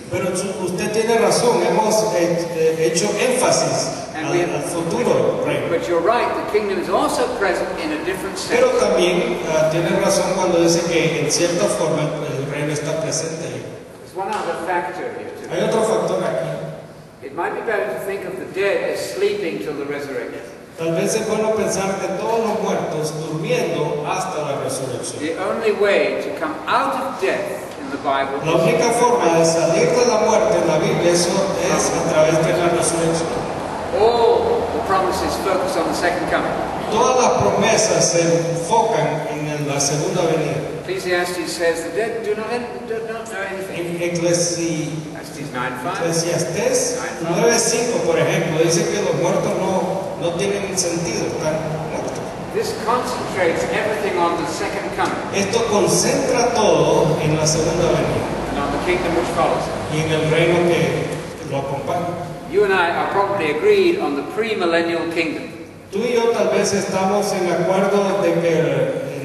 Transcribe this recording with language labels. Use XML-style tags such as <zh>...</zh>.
<es>Pero usted tiene razón, hemos hecho énfasis al futuro reino.</es> <en>But you're right, the kingdom is also present in a different sense.</en> <es>Pero también tiene razón cuando dice que en cierta forma el reino está presente ahí.</es> <en>There's one other factor here.</en> <es>Hay otro factor aquí.</es> <en>It might be better to think of the dead as sleeping till the resurrection.</en> <es>Tal vez es bueno pensar que todos los muertos durmiendo hasta la resurrección.</es> <en>The only way to come out of death. Bible.</en> <es>La única forma de salir de la muerte en la Biblia eso es a través de la resurrección.</es> <en>All the promises focus on the second coming.</en> <es>todas las promesas se enfocan en la segunda venida.</es> <en>Ecclesiastes says the dead do not know anything.</en> <es>In Ecclesiastes 9:5, por ejemplo, dice que los muertos no tienen sentido, están muertos.</es> <en>This concentrates everything on the second coming.</en> <es>Esto concentra todo en la segunda venida.</es> <en>And on the kingdom which follows.</en> <es>Y en el reino que lo acompaña.</es> <en>You and I are probably agreed on the premillennial kingdom.</en> <es>Tú y yo tal vez estamos en acuerdo de que</es>